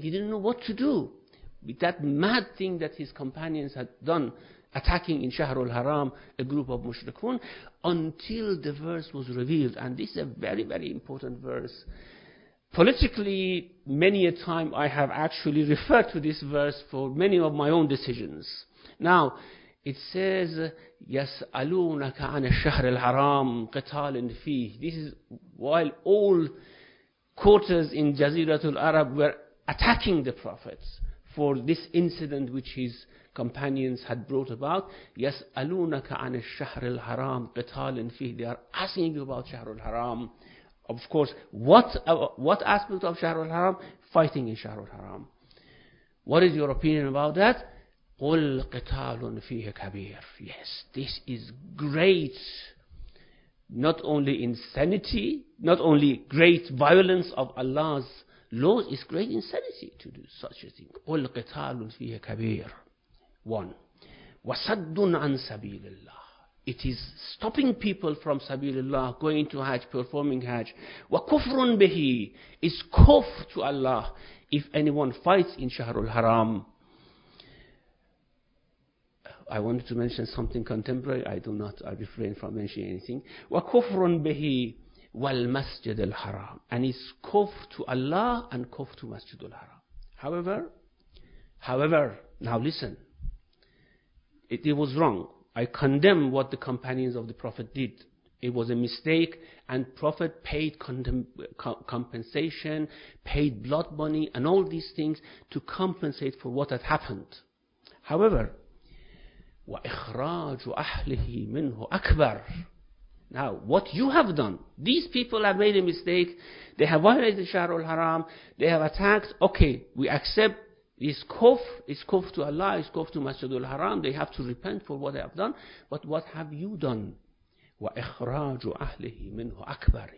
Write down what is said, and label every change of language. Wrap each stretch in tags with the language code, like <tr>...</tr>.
<en>He didn't know what to do with that mad thing that his companions had done, attacking in Shahrul Haram a group of mushrikun, until the verse was revealed. And this is a very, very important verse. Politically, many a time I have actually referred to this verse for many of my own decisions. Now, it says,</en> <ar>يَسْأَلُونَكَ عَنَ الشَّهْرِ الْحَرَامِ قِتَالٍ فِيهِ.</ar> <en>This is while all quarters in Jaziratul Arab were attacking the Prophet for this incident which his companions had brought about.</en> <ar>يَسْأَلُونَكَ عَنَ الشَّهْرِ الْحَرَامِ قِتَالٍ فِيهِ.</ar> <en>They are asking about Shahrul Haram. Of course, what aspect of Shahrul Haram? Fighting in Shahrul Haram. What is your opinion about that?</en> <ar>قُلْ قِتَالٌ فِيهِ كَبِيرٌ.</ar> <en>Yes, this is great, not only insanity, not only great violence of Allah's laws, it's great insanity to do such a thing.</en> <ar>قُلْ قِتَالٌ فِيهِ كَبِيرٌ. One, وَسَدٌ عَنْ سَبِيلِ اللَّهِ.</ar> <en>It is stopping people from</en> <ar>سَبِيلِ اللَّهِ,</ar> <en>going to Hajj, performing Hajj.</en> <ar>وَكُفْرٌ بِهِ.</ar> <en>It's kufr to Allah if anyone fights in Shahrul Haram. I wanted to mention something contemporary. I do not. I refrain from mentioning anything.</en> <ar>وَكُفْرٌ بِهِ وَالْمَسْجِدِ الْحَرَامِ.</ar> <en>And it's kufr to Allah and kufr to Masjid al-Haram. However, now listen. It was wrong. I condemn what the companions of the Prophet did It was a mistake, and Prophet paid compensation, paid blood money, and all these things to compensate for what had happened.</en> <ar>However, وَإِخْرَاجُ أَحْلِهِ مِنْهُ أَكْبَرُ.</ar> <en>Now, what you have done, these people have made a mistake, they have violated Shahr al-Haram, they have attacked, okay, we accept this kufr, it's kufr to Allah, it's kufr to Masjid al-Haram, they have to repent for what they have done, but what have you done?</en> <ar>وَإِخْرَاجُ أَهْلِهِ مِنْهُ أَكْبَرُ.</ar>